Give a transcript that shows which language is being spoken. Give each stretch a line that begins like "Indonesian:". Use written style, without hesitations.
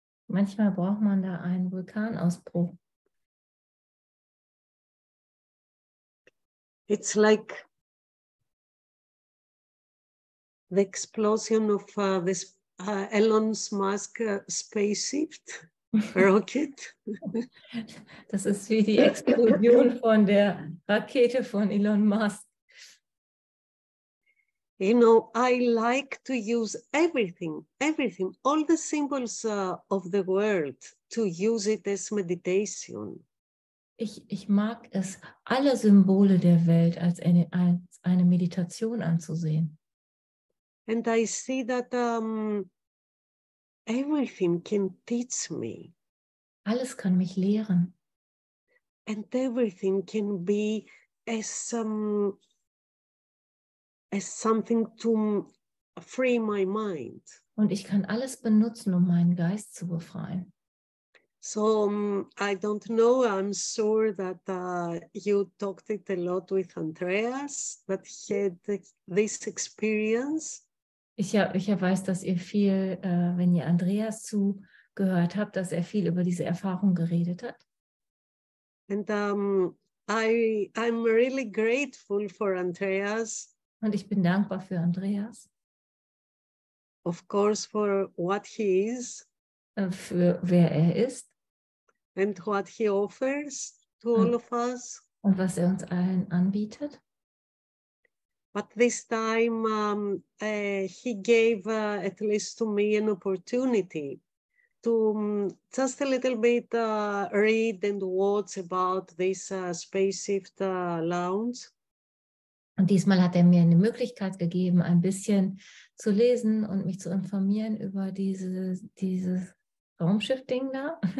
German: Manchmal braucht man da einen Vulkanausbruch.
English: It's like the explosion of this Elon Musk spaceship rocket.
German: Das ist wie die Explosion von der Rakete von Elon Musk.
English: You know, I like to use everything, all the symbols of the world to use it as meditation.
German: Ich mag es, alle Symbole der Welt als eine Meditation anzusehen.
English: And I see that everything can teach me.
German: Alles kann mich lehren.
English: And everything can be as something to free my mind.
German: Und ich kann alles benutzen, um meinen Geist zu befreien.
English: So, I don't know, I'm sure that you talked it a lot with Andreas, that he had this experience.
German: Ich weiß, dass ihr viel, wenn ihr Andreas zugehört habt, dass er viel über diese Erfahrung geredet hat.
English: And I'm really grateful for Andreas.
German: Und ich bin dankbar für Andreas.
English: Of course, for what he is.
German: Für wer er ist.
English: And what he offers to all of us.
German: Und was er uns allen anbietet.
English: But this time he gave at least to me an opportunity to just a little bit read and watch about this spaceship lounge.
German: Und diesmal hat er mir eine Möglichkeit gegeben, ein bisschen zu lesen und mich zu informieren über dieses Raumschiff-Ding da.